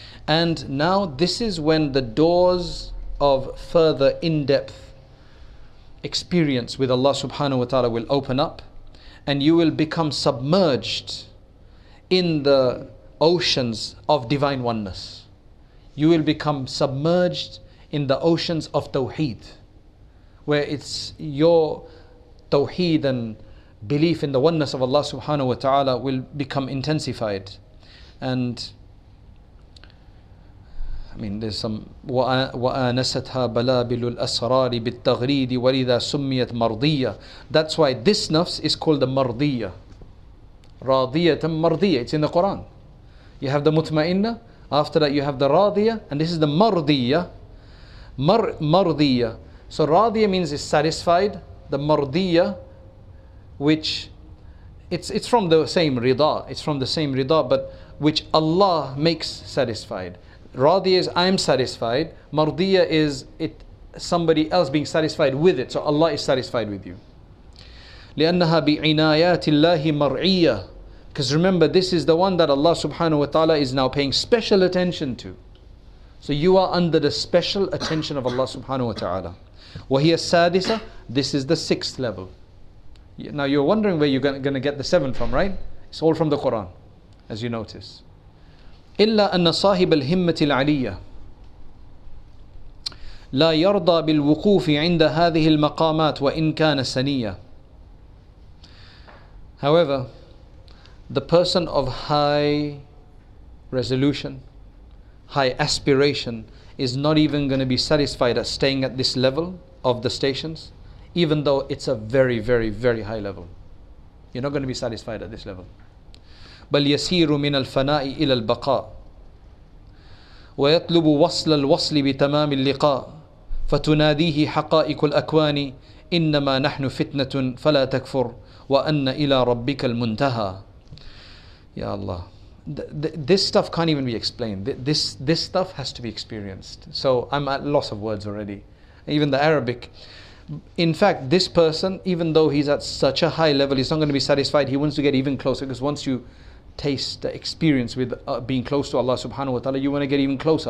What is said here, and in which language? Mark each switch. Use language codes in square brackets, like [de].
[en] And now this is when the doors of further in-depth experience with Allah subhanahu wa ta'ala will open up, and you will become submerged in the oceans of divine oneness. You will become submerged in the oceans of tawheed, where it's your tawheed and belief in the oneness of Allah subhanahu wa ta'ala will become intensified. And I mean, there's some [ar] وَآنَسَتْهَا بَلَابِلُ الْأَسْرَارِ بِالتَّغْرِيدِ وَلِذَا سُمِّيَتْ مَرْضِيَّةِ. [en] That's why this nafs is called the مَرْضِيَّة. [ar] رَاضِيَةً مَرْضِيَّة. [en] It's in the Quran. You have the mutmainna, after that you have the رَاضِيَة, and this is the مَرْضِيَّة. [ar] مَرْضِيَّة. [en] So رَاضِيَة means it's satisfied. The مَرْضِيَّة, which it's from the same رِضَى. It's from the same رِضَى, but which Allah makes satisfied. Radiyah is I'm satisfied. Mardiyah is it somebody else being satisfied with it. So Allah is satisfied with you. [ar] لِأَنَّهَا بِعِنَايَاتِ اللَّهِ مَرْعِيَّةِ. [en] Because remember, this is the one that Allah subhanahu wa ta'ala is now paying special attention to. So you are under the special attention of Allah subhanahu wa ta'ala. [ar] وَهِيَ السَّادِسَةِ. [en] This is the sixth level. Now you're wondering where you're going to get the seventh from, right? It's all from the Quran, as you notice. [ar] إلا أن صاحب الهمة العلية لا يرضى بالوقوف عند هذه المقامات وإن كان سنية. [en] However, the person of high resolution, high aspiration, is not even going to be satisfied at staying at this level of the stations, even though it's a very, very, very high level. You're not going to be satisfied at this level. [ar] بل يسير من الفناء إلى البقاء ويطلب وصل الوصل بتمام اللقاء فتناديه حقائق الأكوان إنما نحن فتنة فلا تكفر وأن إلى ربك المنتهى. [en] يا الله, this stuff can't even be explained. This stuff has to be experienced. So I'm at loss of words already. Even the Arabic. In fact, this person, even though he's at such a high level, he's not going to be satisfied. He wants to get even closer, because once you taste the experience with being close to Allah subhanahu wa ta'ala, you want to get even closer.